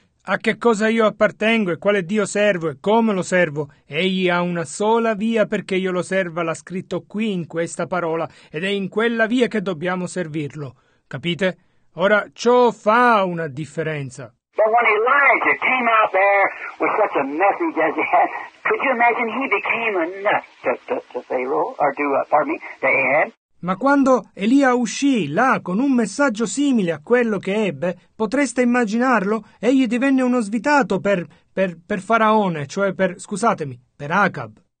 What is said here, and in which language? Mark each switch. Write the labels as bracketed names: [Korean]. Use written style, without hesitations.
[Italian] A che cosa io appartengo e quale Dio servo e come lo servo? Egli ha una sola via perché io lo serva, l'ha scritto qui in questa parola, ed è in quella via che dobbiamo servirlo. Capite? Ora, ciò fa una differenza. [English] But when Elijah came out there with such a message as he had, could you imagine he became a nut to Pharaoh, or to Ahab? [Italian] Ma quando Elia uscì là con un messaggio simile a quello che ebbe, potreste immaginarlo? Egli divenne uno svitato per Faraone, cioè per Acab.